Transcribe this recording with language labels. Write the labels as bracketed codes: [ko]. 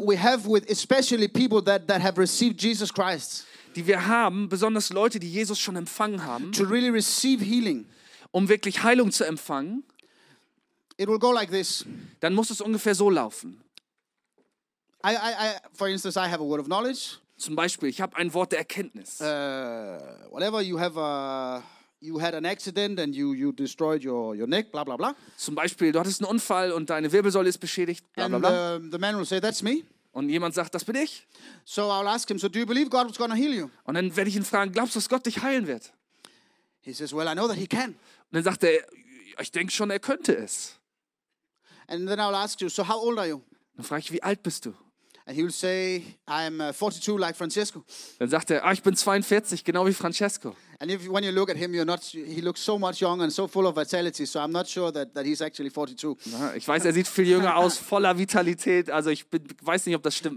[en] We have with especially people that have received Jesus Christ. [de] Die wir haben, besonders Leute, die Jesus schon empfangen haben. [en] To really receive healing. [de] Um wirklich Heilung zu empfangen. [en] It will go like this. [de] Dann muss es ungefähr so laufen. [en] I for instance, I have a word of knowledge. [de] Zum Beispiel, ich habe ein Wort der Erkenntnis. [en] Whatever you have, you had an accident and you destroyed your neck, bla bla bla. [de] Zum Beispiel, du hattest einen Unfall und deine Wirbelsäule ist beschädigt, bla bla bla. [en] And the man will say, that's me. [de] Und jemand sagt, das bin ich. [en] So I'll ask him, so do you believe God was going to heal you? [de] Und dann werde ich ihn fragen, glaubst du, dass Gott dich heilen wird? [en] He says, well, I know that he can. [de] Und dann sagt er, ich denke schon, er könnte es. [en] And then I'll ask you, so how old are you? [de] Dann frage ich, wie alt bist du? [en] And he will say, I'm 42 like Francesco. [de] Dann sagt er, ich bin 42, genau wie Francesco. [en] And if when you look at him, he looks so much younger and so full of vitality, so I'm not sure that he's actually 42. [de] Ich weiß, er sieht viel jünger aus, voller Vitalität, also ich weiß nicht, ob das stimmt.